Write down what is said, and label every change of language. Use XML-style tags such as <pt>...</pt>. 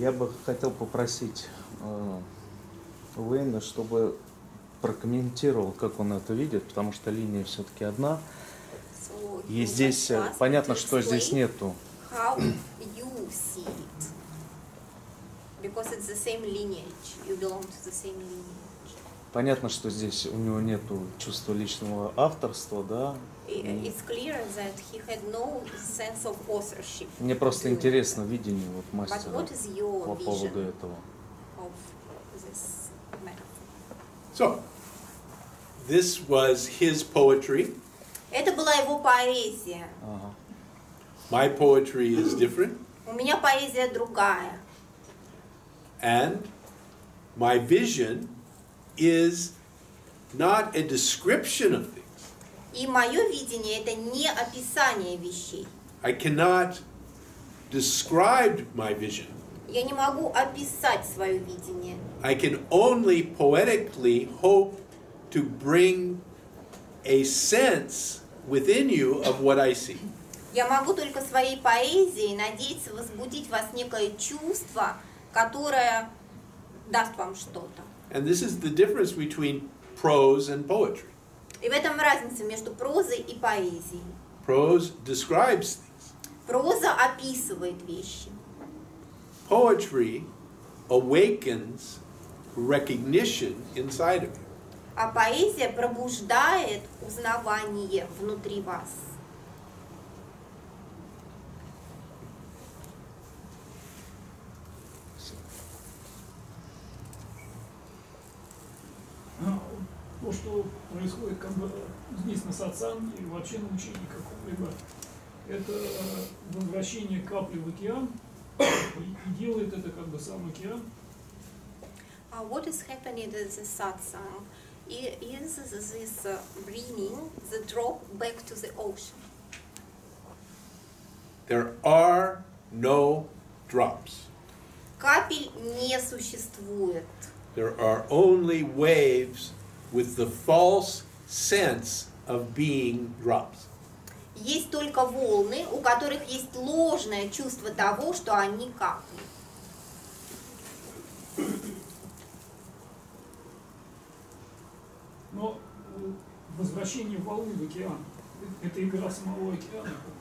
<ru>Я бы хотел попросить Уэйна, чтобы прокомментировал, как он это видит, потому что линия все-таки одна.</ru> <en>So</en> <ru>и здесь понятно, что здесь нету.</ru> <en>How you see it. Because it's the same lineage. You belong to the same lineage.</en> <ru>Понятно, что здесь у него нету чувства личного авторства, да?</ru> <en>It's clear that he had no sense of authorship.</en> <ru>Мне просто интересно видение вот мастера по поводу этого.</ru> <en>Of this matter? So, this was his poetry.</en> <ru>Это была его поэзия.</ru> <en>My poetry is different.</en> <ru>У меня поэзия другая.</ru> <en>And my vision is not a description of things.</en> <ru>И моё видение это не описание вещей.</ru> <en>I cannot describe my vision.</en> <ru>Я не могу описать своё видение.</ru> <en>I can only poetically hope to bring a sense within you of what I see.</en> <ru>Я могу только своей поэзией надеяться возбудить вас некое чувство, которое даст вам что-то.</ru> <en>And this is the difference between prose and poetry.</en> <ru>И в этом разница между прозой и поэзией.</ru> <en>Prose describes things.</en> <ru>Проза описывает вещи.</ru> <en>Poetry awakens recognition inside of you.</en> <ru>А поэзия пробуждает узнавание внутри вас. То, что происходит как бы здесь на сатсанге или вообще на учении какого-либо, это возвращение капли в океан и делает это как бы сам океан.</ru> <en>What is happening in the satsang is this bringing the drop back to the ocean. There are no drops.</en> <ru>Капель не существует.</ru> <en>There are only waves with the false sense of being drops.</en> <ru>Есть только волны, у которых есть ложное чувство того, что они капли. Но возвращение волны в океан – это игра самого океана.</ru>